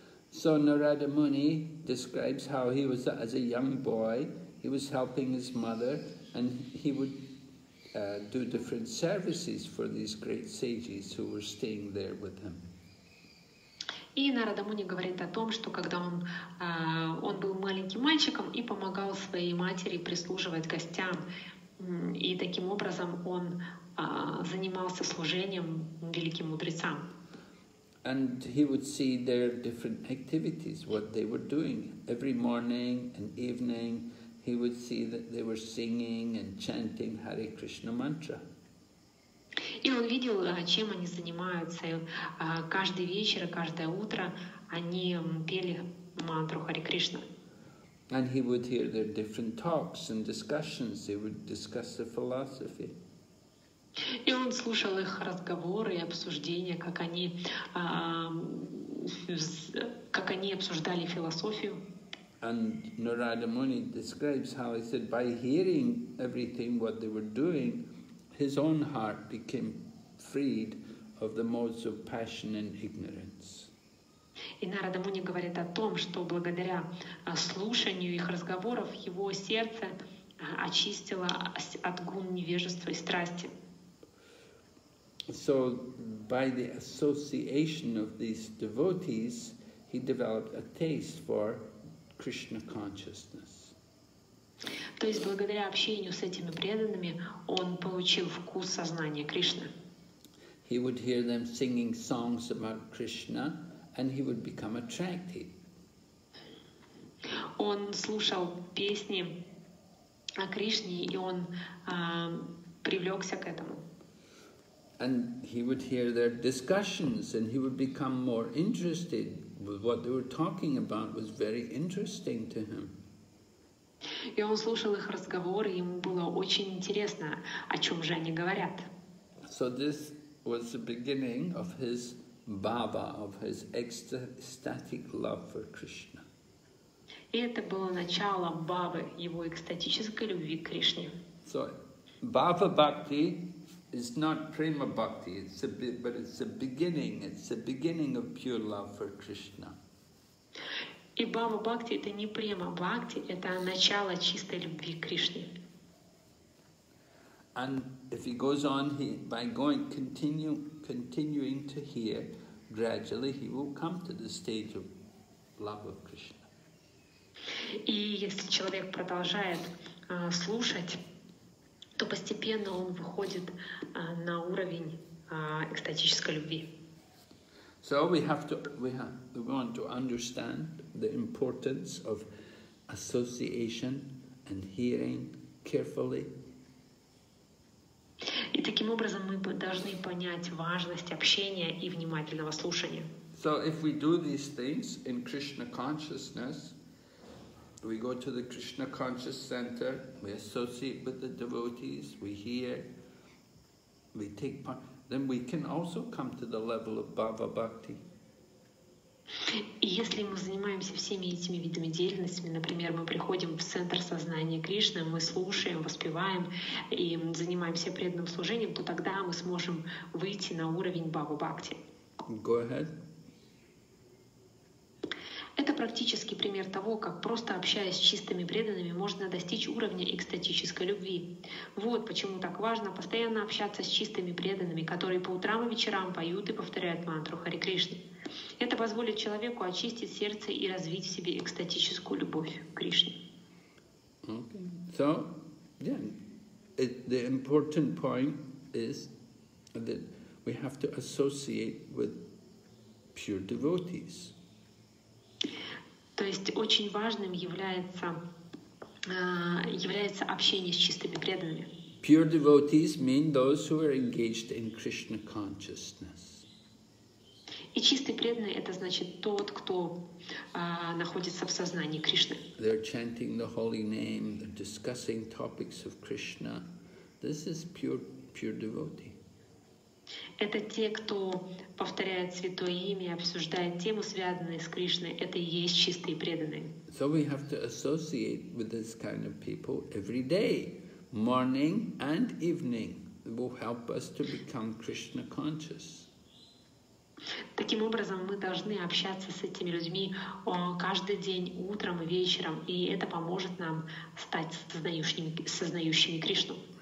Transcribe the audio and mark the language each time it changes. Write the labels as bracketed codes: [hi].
[en] So Narada Muni describes how he was, as a young boy, he was helping his mother, and he would do different services for these great sages who were staying there with him. [ru] И Нарада Муни говорит о том, что когда он был маленьким мальчиком и помогал своей матери прислуживать гостям, и таким образом он занимался служением великим мудрецам. [en] And he would see their different activities, what they were doing. Every morning and evening, he would see that they were singing and chanting Hare Krishna mantra. [ru] И он видел, чем они занимаются. Каждый вечер, каждое утро они пели мантру Хари Кришна. [en] And he would hear their different talks and discussions. They would discuss the philosophy. [ru] И он слушал их разговоры и обсуждения, как они обсуждали философию. [en] And Narada Muni describes how he said by hearing everything what they were doing, his own heart became freed of the modes of passion and ignorance. [ru] И Нарада Муни говорит о том, что благодаря слушанию их разговоров его сердце очистило от гун невежества и страсти. [en] So by the association of these devotees, he developed a taste for Krishna consciousness. [ru] То есть благодаря общению с этими преданными он получил вкус сознания Кришны. [en] He would hear them singing songs about Krishna, and he would become attracted. [ru] Он слушал песни о Кришне, и он привлекся к этому. [en] And he would hear their discussions, and he would become more interested. What they were talking about was very interesting to him. [ru] И он слушал их разговоры, ему было очень интересно, о чем же они говорят. [en] So this was the beginning of his bhava, of his ecstatic love for Krishna. [ru] И это было начало бхавы, его экстатической любви к Кришне. [en] So, bhava bhakti is not prema bhakti, but it's the beginning of pure love for Krishna. [ru] И бхава бхакти это не према бхакти, это начало чистой любви к Кришне. [en] And if he goes on he, by going continuing to hear, gradually he will come to the stage of love of Krishna. [ru] И если человек продолжает слушать, то постепенно он выходит на уровень экстатической любви. [en] So we want to understand the importance of association and hearing carefully. [ru] И таким образом мы должны понять важность общения и внимательного слушания. [en] So if we do these things in Krishna consciousness, we go to the Krishna conscious center, we associate with the devotees, we hear, we take part, then we can also come to the level of bhava bhakti. [ru] И если мы занимаемся всеми этими видами деятельности, например, мы приходим в центр сознания Кришны, мы слушаем, воспеваем и занимаемся преданным служением, то тогда мы сможем выйти на уровень бхава-бхакти. [en] Go ahead. [ru] Это практический пример того, как просто общаясь с чистыми преданными, можно достичь уровня экстатической любви. Вот почему так важно постоянно общаться с чистыми преданными, которые по утрам и вечерам поют и повторяют мантру Хари Кришны. Это позволит человеку очистить сердце и развить в себе экстатическую любовь к Кришне. [en] Okay. So, yeah, the important point is that we have to associate with pure devotees. [ru] То есть очень важным является общение с чистыми преданными. [en] Pure devotees mean those who are engaged in Krishna consciousness. [ru] И чистый преданный — это значит тот, кто находится в сознании Кришны. [en] They're chanting the holy name, they're discussing topics of Krishna. This is pure devotee. [ru] Это те, кто повторяет святое имя, обсуждает тему, связанную с Кришной. Это и есть чистые преданные. [en] So we have to associate with this kind of people every day, morning and evening. It will help us to become Krishna conscious. [ru] Таким образом, мы должны общаться с этими людьми каждый день, утром и вечером, и это поможет нам стать сознающими Кришну.